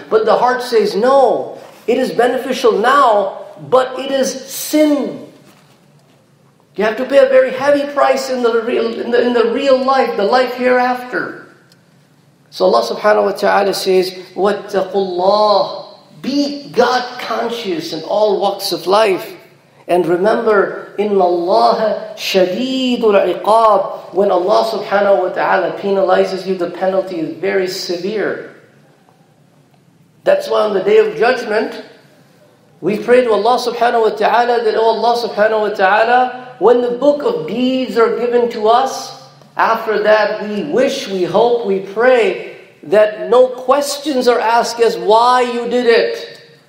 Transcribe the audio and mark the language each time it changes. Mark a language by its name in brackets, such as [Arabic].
[English] But the heart says, no, it is beneficial now, but it is sin. You have to pay a very heavy price in the real life, the life hereafter. So Allah subhanahu wa ta'ala says, wattaqullah. Be God conscious in all walks of life. And remember, [Arabic] إِنَّ اللَّهَ شَدِيدُ الْعِقَابِ. [English] When Allah subhanahu wa ta'ala penalizes you, the penalty is very severe. That's why on the Day of Judgment, we pray to Allah subhanahu wa ta'ala that, oh Allah subhanahu wa ta'ala, when the book of deeds are given to us, after that we wish, we hope, we pray, that no questions are asked as why you did it.